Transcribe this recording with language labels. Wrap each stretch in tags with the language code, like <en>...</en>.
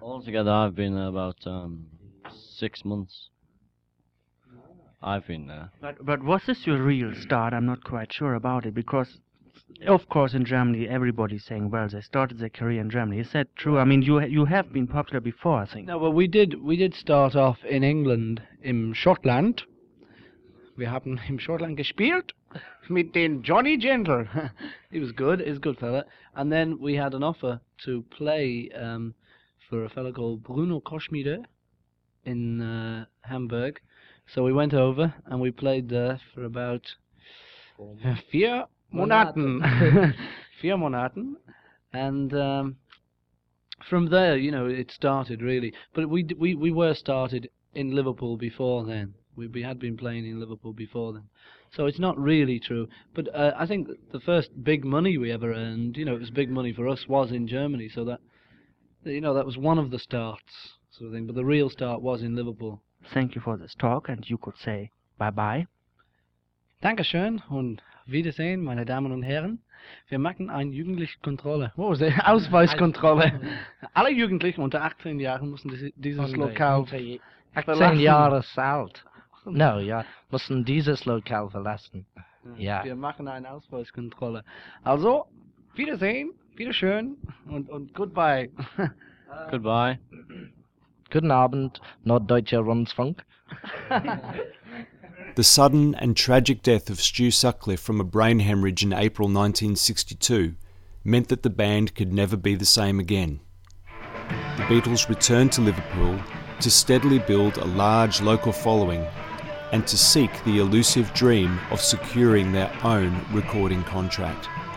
<en>Altogether I've been about 6 months. I've been there. But was this your real start? I'm not quite sure about it, because of course in Germany everybody's saying, well, they started their career in Germany. Is that true? I mean, you have been popular before, I think. No, well, we did start off in England,</en> <de>im Schottland. Wir haben im Schottland gespielt mit den Johnny Gentle.</de> <en>He was good. He's a good fella. And then we had an offer to play for a fella called Bruno Koschmider in Hamburg. So we went over and we played there for about</en> <de>4 Monaten. 4 Monaten.</de> <en>And from there, you know, it started really. But we were started in Liverpool before then. We had been playing in Liverpool before then. So it's not really true. But I think the first big money we ever earned, you know, it was big money for us, was in Germany. So that, you know, that was one of the starts, sort of thing. But the real start was in Liverpool. Thank you for this talk, and you could say bye-bye.</en> <de>Dankeschön und Wiedersehen, meine Damen und Herren. Wir machen eine Jugendlichkontrolle. Wo ist die Ausweiskontrolle? Alle Jugendlichen unter 18 Jahren müssen dieses Lokal 18 Jahre alt. No, ja, müssen dieses Lokal verlassen. Ja. Wir machen eine Ausweiskontrolle. Also, Wiedersehen, Wiederschön und goodbye.</de> <en>Goodbye.</en> <de>Guten Abend, Norddeutscher Rundfunk.</de> <en>The sudden and tragic death of Stu Sutcliffe from a brain hemorrhage in April 1962 meant that the band could never be the same again. The Beatles returned to Liverpool to steadily build a large local following and to seek the elusive dream of securing their own recording contract.</en>